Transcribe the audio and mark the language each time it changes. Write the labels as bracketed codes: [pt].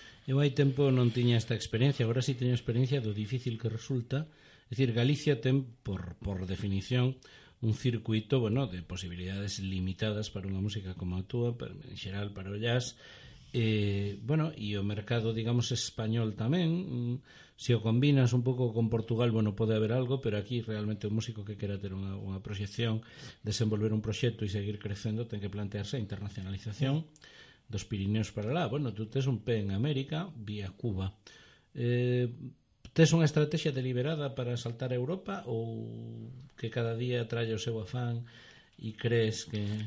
[es] Yo hay tiempo no tenía esta experiencia, ahora sí tengo experiencia de lo difícil que resulta. Es decir, [gl] Galicia ten, por definición, un circuito, bueno, de posibilidades limitadas para una música como a túa, pero en xeral para o jazz. Bueno, e o mercado, digamos, español tamén. Si o combinas un pouco con Portugal, bueno, pode haber algo, pero aquí realmente o músico que quera ter unha proxección, desenvolver un proxecto e seguir crecendo, ten que plantearse a internacionalización dos Pirineos para lá. Bueno, tú tes un pé en América vía Cuba. Tes unha estrategia deliberada para saltar a Europa ou que cada día trae o seu afán e crees que...